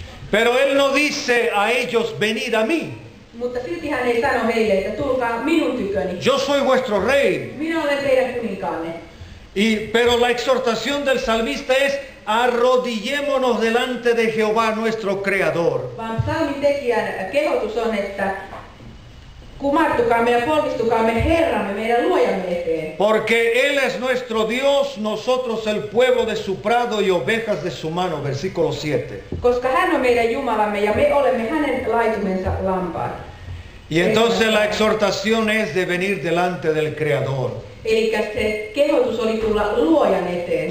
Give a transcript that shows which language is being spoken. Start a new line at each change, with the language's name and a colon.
Spanish: Pero él no dice a ellos, venid a mí.
Finnish: Mutta silti hän ei sano heille, että tulkaa minun tyköni.
Spanish: Yo soy vuestro rey.
Finnish: Minä olen teidän kuninkaanne.
Spanish: Pero la exhortación del salmista es, arrodillémonos delante de Jehová, nuestro Creador.
Finnish: Vaan psalmin tekijän kehotus on, että kumartukaamme ja polvistukaamme Herramme, meidän luojamme eteen.
Spanish: Porque Él es nuestro Dios, nosotros el pueblo de su prado y ovejas de su mano, versículo 7.
Finnish: Koska Hän on meidän Jumalamme ja me olemme Hänen laitumensa lampaat.
Spanish: Y entonces la exhortación es de venir delante del Creador.
Finnish: Elikkä se kehotus oli tulla luojan eteen.